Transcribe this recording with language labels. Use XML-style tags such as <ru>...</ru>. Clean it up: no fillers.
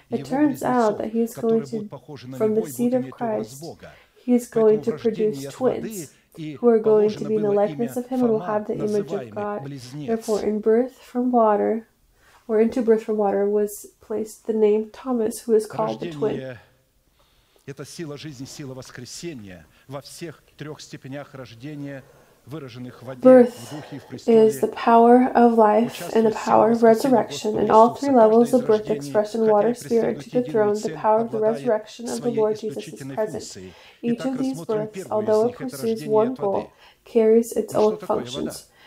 <en>It turns out that from the seed of Christ, he is going to produce twins who are going to be in the likeness of him and will have the image of God. Therefore, in birth from water, or into birth from water, was placed the name Thomas, who is called the twin.</en> <ru>Это сила жизни, сила воскресения во всех трех степенях рождения.</ru> <en>Birth is the power of life and the power of resurrection, and all three levels of birth, expression, water, spirit, to the throne, the power of the resurrection of the Lord Jesus is present. Each of these births, although it pursues one goal, carries its own functions.</en>